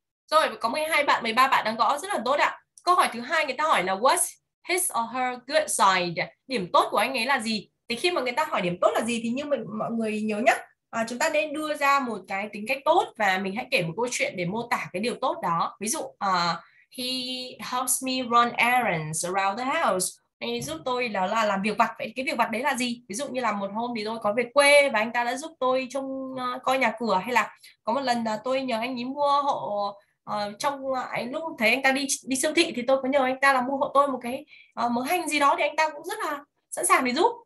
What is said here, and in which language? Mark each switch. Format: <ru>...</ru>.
<vi>Rồi, có 12 bạn, 13 bạn đang gõ rất là tốt ạ. Câu hỏi thứ hai người ta hỏi là</vi> <en>what's his or her good side?</en> <vi>Điểm tốt của anh ấy là gì? Thì khi mà người ta hỏi điểm tốt là gì thì như mọi người nhớ nhá, chúng ta nên đưa ra một cái tính cách tốt và mình hãy kể một câu chuyện để mô tả cái điều tốt đó. Ví dụ,</vi> <en>he helps me run errands around the house.</en> <vi>Anh ấy giúp tôi đó là làm việc vặt. Vậy cái việc vặt đấy là gì? Ví dụ như là một hôm thì tôi có về quê và anh ta đã giúp tôi trông coi nhà cửa, hay là có một lần là tôi nhờ anh ấy mua hộ trong lúc thấy anh ta đi siêu thị thì tôi có nhờ anh ta là mua hộ tôi một cái mớ hành gì đó, thì anh ta cũng rất là sẵn sàng để giúp.</vi>